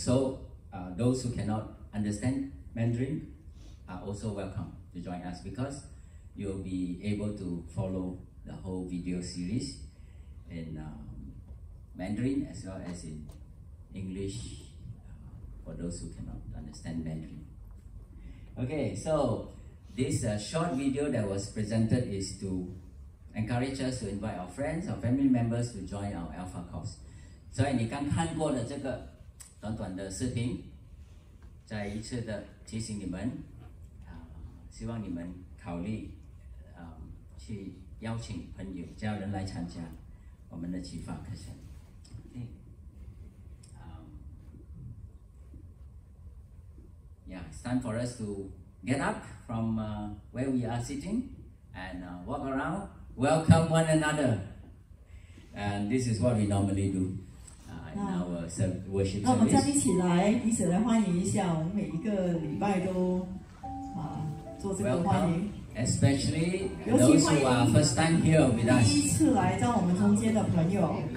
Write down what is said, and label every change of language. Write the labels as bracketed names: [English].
[English] So those who cannot understand Mandarin are also welcome to join us because you'll be able to follow the whole video series in Mandarin as well as in English for those who cannot understand Mandarin. Okay, so this short video that was presented is toEncourage us to invite our friends, our family members to join our Alpha course. [Chinese] 所以你刚看过了这个短短的视频，再一次的提醒你们，希望你们考虑去邀请朋友、家人来参加我们的启发课程。 [English] Yeah, it's time for us to get up from where we are sitting and walk around. Welcome one another. And this is what we normally do in our worship service. [Chinese] 那我们站立起来，彼此来欢迎一下。我们每一个礼拜都做这个欢迎。 [English] Welcome, especially those who are first time here with us. [Chinese] 第一次来到我们中间的朋友。